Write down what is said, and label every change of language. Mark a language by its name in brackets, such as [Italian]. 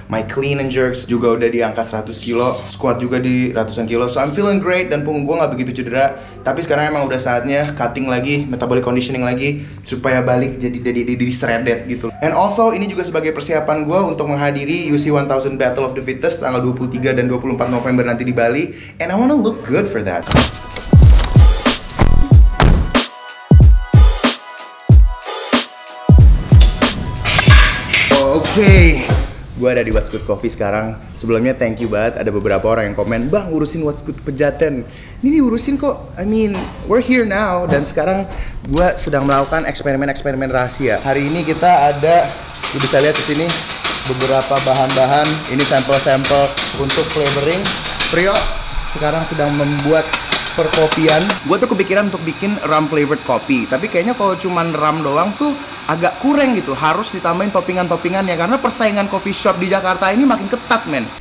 [English] My clean and jerks [Indonesian] juga udah di angka 100 kilo. Squat juga di ratusan kilo. [English] So I'm feeling great, [Indonesian] dan punggung gue gak begitu cedera. Tapi sekarang emang udah saatnya cutting lagi, metabolic conditioning lagi, supaya balik jadi di shredded gitu. [English] And also, [Indonesian] ini juga sebagai persiapan gue untuk menghadiri UC 1000 Battle of the Fittest tanggal 23 dan 24 November nanti di Bali. [English] And I wanna look good for that. [Indonesian] Okay, gue ada di What's Good Coffee sekarang. Sebelumnya thank you banget, ada beberapa orang yang komen, "Bang, urusin What's Good Pejaten." Ini urusin kok, [English] I mean, we're here now. [Indonesian] Dan sekarang gue sedang melakukan eksperimen-eksperimen rahasia. Hari ini kita ada, lu bisa lihat di sini beberapa bahan-bahan. Ini sampel-sampel untuk flavoring. Priyo sekarang sedang membuat perkopian. Gue tuh kepikiran untuk bikin rum flavored kopi, tapi kayaknya kalau cuman rum doang tuh agak kurang gitu, harus ditambahin toppingan-toppingannya karena persaingan coffee shop di Jakarta ini makin ketat, men.